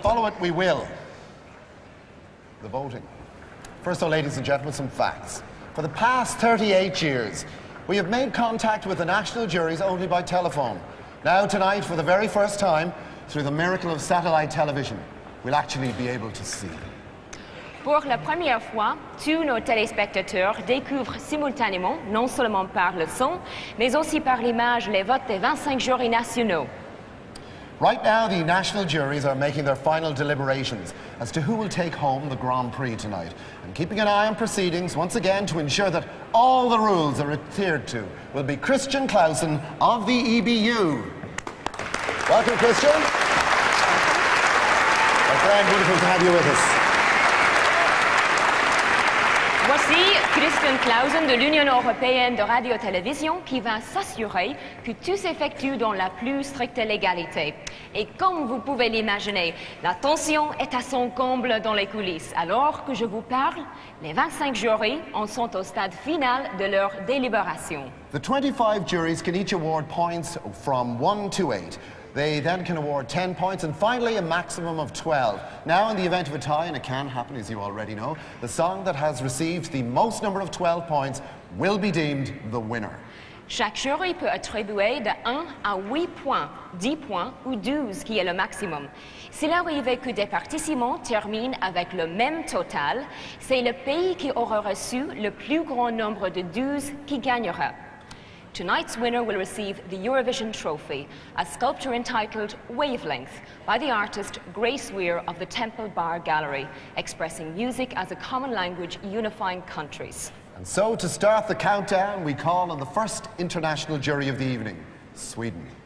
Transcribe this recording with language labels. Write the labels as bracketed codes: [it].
[en] Follow it, we will. The voting. First of all, ladies and gentlemen, some facts. For the past 38 years, we have made contact with the national juries only by telephone. Now tonight, for the very first time, through the miracle of satellite television, we'll actually be able to see. [fr] Pour la première fois, tous nos téléspectateurs découvrent simultanément, non seulement par le son, mais aussi par l'image, les votes des 25 jurys nationaux. [en] Right now, the national juries are making their final deliberations as to who will take home the Grand Prix tonight. And keeping an eye on proceedings, once again, to ensure that all the rules are adhered to, will be Christian Clausen of the EBU. Welcome, Christian. My friend, wonderful to have you with us. [fr] Voici Christian Clausen de l'Union européenne de radio-télévision qui va s'assurer que tout s'effectue dans la plus stricte légalité. Et comme vous pouvez l'imaginer, la tension est à son comble dans les coulisses. Alors que je vous parle, les 25 jurys en sont au stade final de leur délibération. [en] The 25 juries can each award points from 1 to 8. They then can award 10 points and finally a maximum of 12. Now, in the event of a tie, and it can happen as you already know, the song that has received the most number of 12 points will be deemed the winner. [fr] Chaque jury peut attribuer de 1 à 8 points, 10 points ou 12 qui est le maximum. S'il arrive que des participants terminent avec le même total, c'est le pays qui aura reçu le plus grand nombre de 12 qui gagnera. [en] Tonight's winner will receive the Eurovision Trophy, a sculpture entitled Wavelength by the artist Grace Weir of the Temple Bar Gallery, expressing music as a common language unifying countries. And so to start the countdown, we call on the first international jury of the evening, Sweden.